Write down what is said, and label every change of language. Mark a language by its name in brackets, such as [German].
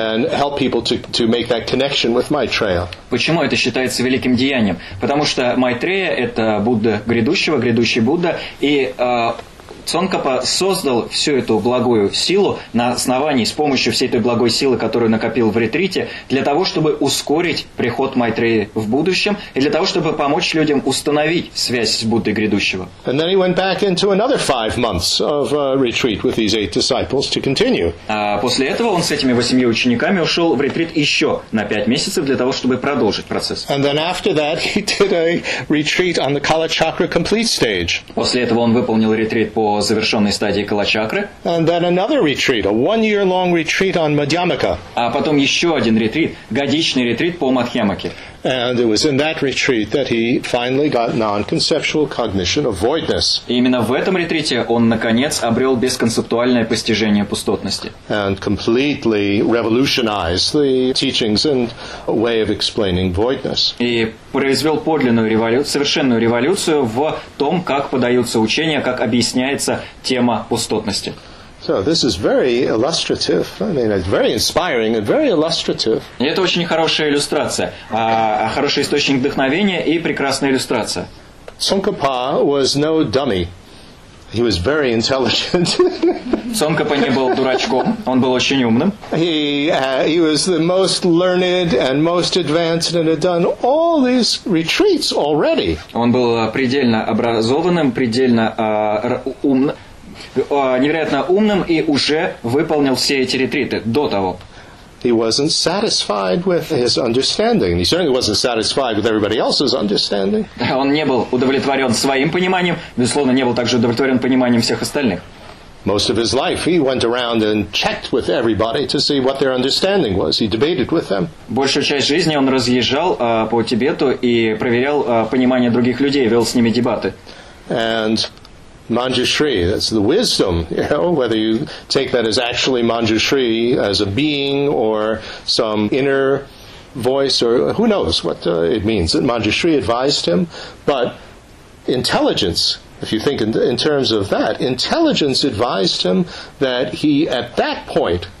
[English] And help people to make that connection with Maitreya. [Russian] Почему это считается великим деянием? Потому что Майтрея – это Будда грядущего, грядущий Будда, и Цонкапа создал всю эту благую силу на основании, с помощью всей той благой силы, которую накопил в ретрите, для того, чтобы ускорить приход Майтреи в будущем, и для того, чтобы помочь людям установить связь с Буддой грядущего. [English] And then he went back into another 5 months of retreat with these 8 disciples to continue. [Russian] После этого он с этими 8 учениками ушел в ретрит еще на 5 месяцев для того, чтобы продолжить процесс. [English] And then after that he did a retreat on the Kala Chakra complete stage. [Russian] После этого он выполнил ретрит по завершенной стадии Калачакры. [English] And then another retreat, a one-year-long retreat on Madhyamaka. [Russian] А потом еще один ретрит, годичный ретрит по Мадхьямаке. [English] And it was in that retreat that he finally got non-conceptual cognition of voidness. [Russian] Именно в этом ретрите он наконец обрел бесконцептуальное постижение пустотности. [English] And completely revolutionized the teachings and way of explaining voidness. [Russian] И произвел подлинную революцию, совершенную революцию в том, как подаются учения, как объясняется тема пустотности. [English] So this is very illustrative. I mean, it's very inspiring and very illustrative. [Russian] И это очень хорошая иллюстрация, хороший источник вдохновения и прекрасная иллюстрация. [English] Tsongkhapa was no dummy. He was very intelligent. [Russian] Tsongkhapa не был дурачком. Он был очень умным. [English] He was the most learned and most advanced and had done all these retreats already. [Russian] Он был предельно образованным, предельно умным. Невероятно умным и уже выполнил все эти ретриты до того. [English] He wasn't satisfied with his understanding. He certainly wasn't satisfied with everybody else's understanding. [Russian] Он не был удовлетворен своим пониманием, безусловно, не был также удовлетворен пониманием всех остальных. [English] Most of his life he went around and checked with everybody to see what their understanding was. He debated with them. [Russian] Большую часть жизни он разъезжал по Тибету и проверял понимание других людей, вел с ними дебаты. [English] And Manjushri, that's the wisdom, you know, whether you take that as actually Manjushri as a being or some inner voice or who knows what it means that Manjushri advised him, but intelligence, if you think in terms of that, intelligence advised him that he at that point